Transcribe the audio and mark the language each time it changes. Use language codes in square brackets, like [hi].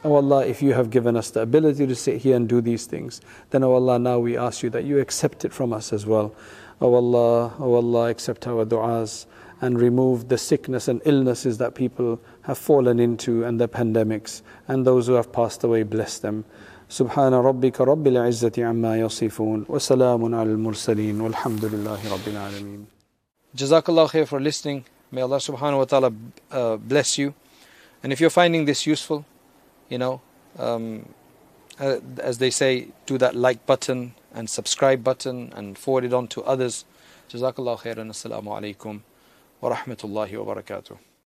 [en] O Allah, if you have given us the ability to sit here and do these things, then O Allah, now we ask you that you accept it from us as well. O Allah, accept our du'as, and remove the sickness and illnesses that people have fallen into, and the pandemics, and those who have passed away, bless them. [ar] سبحان ربك رب العزة عما يصفون وسلام على المرسلين والحمد لله رب العالمين. [en] Jazakallah khair for listening. May Allah subhanahu wa ta'ala bless you. And if you're finding this useful, you know, as they say, do that like button and subscribe button and forward it on to others. Jazakallah khair and assalamu alaikum wa rahmatullahi wa barakatuh.